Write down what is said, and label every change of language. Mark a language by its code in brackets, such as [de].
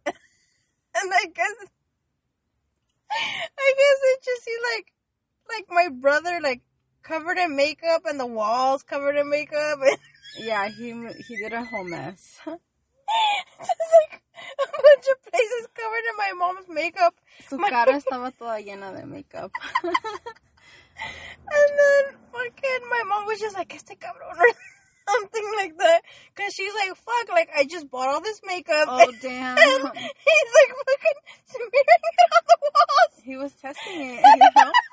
[en] And I guess they just see, like my brother, like, covered in makeup and the walls covered in makeup. Yeah, he did a whole mess. Just like a bunch of places covered in my mom's makeup. [es] Su cara estaba toda llena de makeup. [en] And then, fucking, my mom was just like, [es] este cabrón, [en] or something like that. Because she's like, fuck, like, I just bought all this makeup. Oh, damn. And he's like, fucking smearing it on the walls. He was testing it, you know?